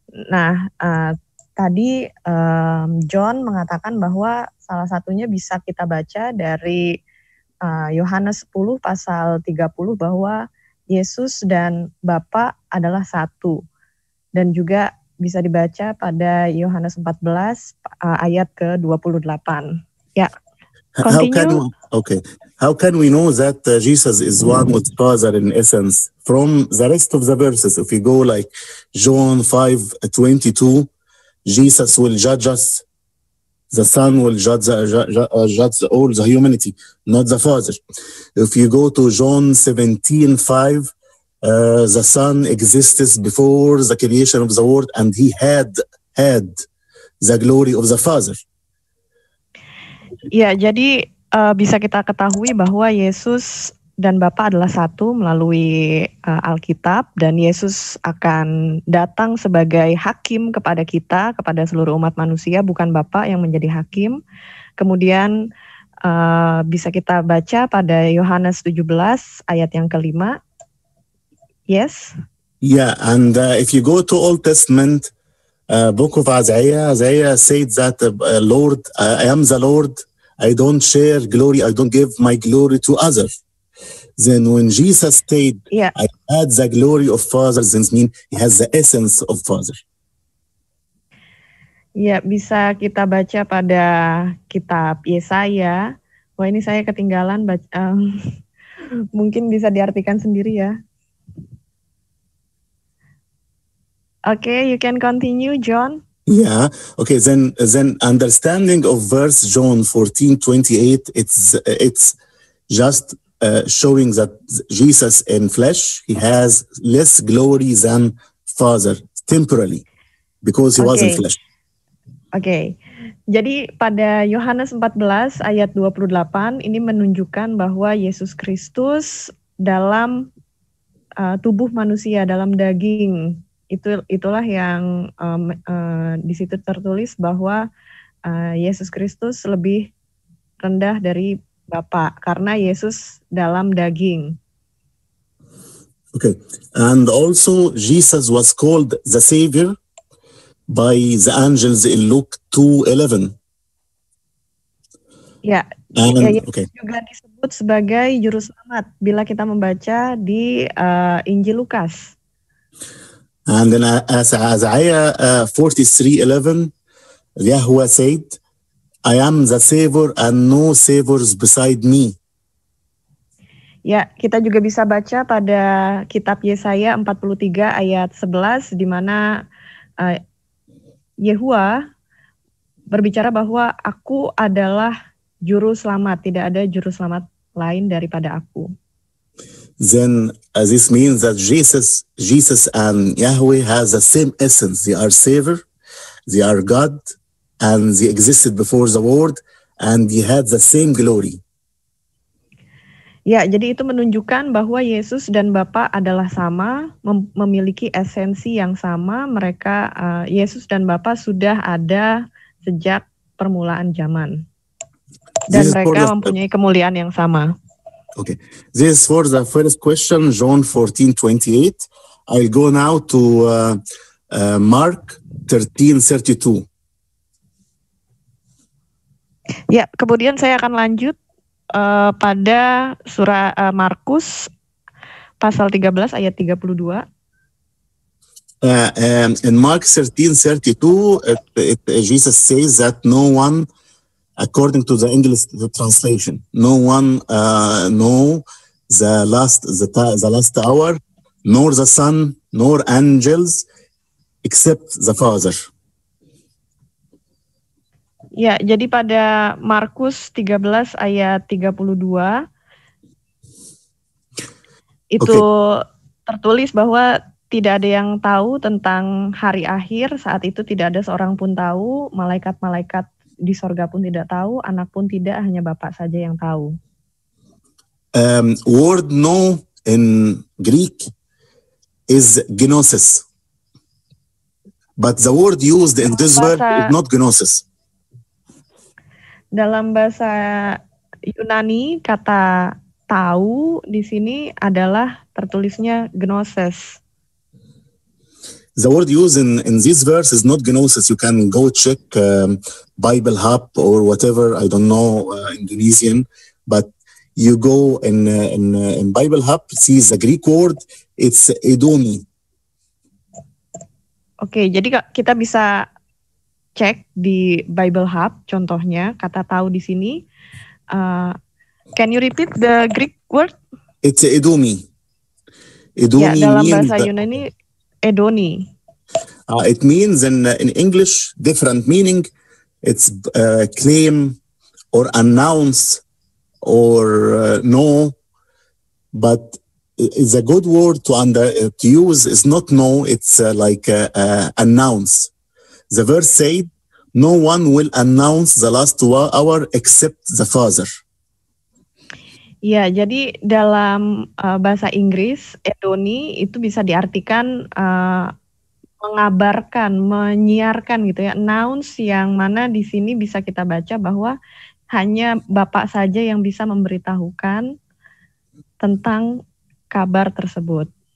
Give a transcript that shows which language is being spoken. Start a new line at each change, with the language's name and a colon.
Indonesian: Nah, tadi John mengatakan bahwa salah satunya bisa kita baca dari Yohanes 10:30 bahwa Yesus dan Bapa adalah satu. Dan juga bisa dibaca pada Yohanes 14:28.
English: Ya. Continue. How can we know that Jesus is one with Father in essence? From the rest of the verses, if we go like John 5:22, Jesus will judge us. The Son will judge all the humanity, not the Father. If you go to John 17:5, the Son existed before the creation of the world, and he had the glory of the Father.
Indonesian: Ya, jadi bisa kita ketahui bahwa Yesus dan Bapa adalah satu melalui Alkitab, dan Yesus akan datang sebagai hakim kepada kita, kepada seluruh umat manusia, bukan Bapa yang menjadi hakim. Kemudian bisa kita baca pada Yohanes 17 ayat yang kelima.
English: Yes? Yeah, and if you go to Old Testament, Book of Isaiah said that Lord, I am the Lord, I don't share glory, I don't give my glory to others. Then when Jesus said, I had the glory of Father, then mean he has the essence of Father.
Indonesian: Ya, bisa kita baca pada kitab Yesaya. Wah, ini saya ketinggalan, mungkin bisa diartikan sendiri ya.
English: Okay, you can continue, John. Yeah. Okay. Then understanding of verse John 14:28, it's just showing that Jesus in flesh, he has less glory than Father temporarily, because he was in flesh. Okay.
Indonesian: Jadi pada Yohanes 14 ayat 28 ini menunjukkan bahwa Yesus Kristus dalam tubuh manusia, dalam daging. Itulah yang di situ tertulis bahwa Yesus Kristus lebih rendah dari Bapa karena Yesus dalam daging.
English: Okay, and also Jesus was called the Savior by the angels in Luke 2:11.
Indonesian: Ya, Yesus juga disebut sebagai Juru Selamat bila kita membaca di Injil Lukas.
English: And in Isaiah 43:11, Yahuwah said, I am the Savior and no Saviors beside me.
Indonesian: Ya, kita juga bisa baca pada kitab Yesaya 43 ayat 11, di mana Yahuwah berbicara bahwa aku adalah juru selamat, tidak ada juru selamat lain daripada aku.
English: Then this means that Jesus and Yahweh has the same essence. They are Savior, they are God, and they existed before the world, and they had the same glory.
Indonesian: Ya, jadi itu menunjukkan bahwa Yesus dan Bapa adalah sama, memiliki esensi yang sama. Mereka, Yesus dan Bapa sudah ada sejak permulaan zaman. Dan this mereka mempunyai kemuliaan yang sama.
English: Okay. This is for the first question, John 14:28. I'll go now to Mark 13:32.
Indonesian: Ya, kemudian saya akan lanjut pada surah Markus pasal 13 ayat 32.
English: In Mark 13:32, Jesus says that no one, according to the English the translation, no one know the last hour, nor the Son, nor angels, except the Father.
Indonesian: Ya, jadi pada Markus 13 ayat 32 itu tertulis bahwa tidak ada yang tahu tentang hari akhir, saat itu tidak ada seorang pun tahu, malaikat-malaikat di sorga pun tidak tahu, anak pun tidak, hanya Bapa saja yang tahu.
English: Word know in Greek is gnosis. But the word used in this word is not gnosis.
Indonesian: Dalam bahasa Yunani kata tahu di sini adalah tertulisnya gnosis.
English: The word used in this verse is not gnosis. You can go check Bible Hub or whatever. I don't know Indonesian, but you go in Bible Hub, see the Greek word. It's edomi.
Indonesian: Okay, jadi kita bisa cek di Bible Hub, contohnya kata tahu di sini.
English: Can you repeat the Greek word? It's edomi.
Indonesian: Edomi. Yeah, dalam bahasa Yunani edoni.
English: It means in English different meaning. It's claim or announce or know. But it's a good word to use. It's not know. It's announce. The verse said, no one will announce the last hour except the Father.
Indonesian: Ya, jadi dalam bahasa Inggris, edoni itu bisa diartikan mengabarkan, menyiarkan gitu ya. Announce yang mana di sini bisa kita baca bahwa hanya Bapa saja yang bisa memberitahukan tentang kabar tersebut.